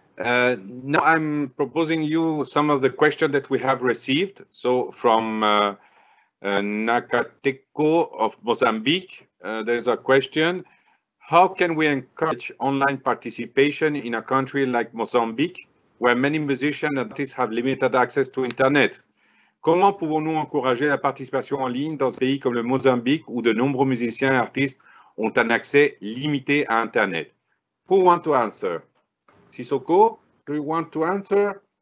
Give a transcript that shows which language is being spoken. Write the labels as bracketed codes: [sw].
[en] Now I'm proposing you some of the questions that we have received. So from Nakateko of Mozambique, there's a question. How can we encourage online participation in a country like Mozambique, where many musicians and artists have limited access to internet? [fr] Comment pouvons-nous encourager la participation en ligne dans un pays comme le Mozambique, où de nombreux musiciens et artistes ont un accès limité à internet? [en] Who want to answer? SISSOKO, do you want to answer?